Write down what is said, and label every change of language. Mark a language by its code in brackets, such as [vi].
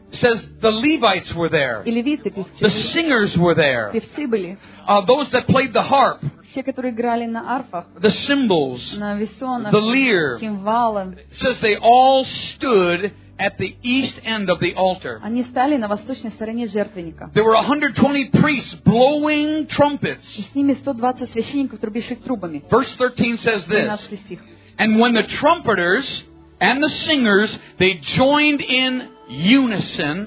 [en] Says the Levites were there. The singers were there. Those that played the harp. The cymbals. The lyre. Says they all stood at the east end of the altar. [ru] Они стали на восточной стороне жертвенника. [en] There were 120 priests blowing trumpets. [ru] И с ними 120 священников, трубивших трубами. [en] Verse 13 says this. And when the trumpeters and the singers, they joined in unison.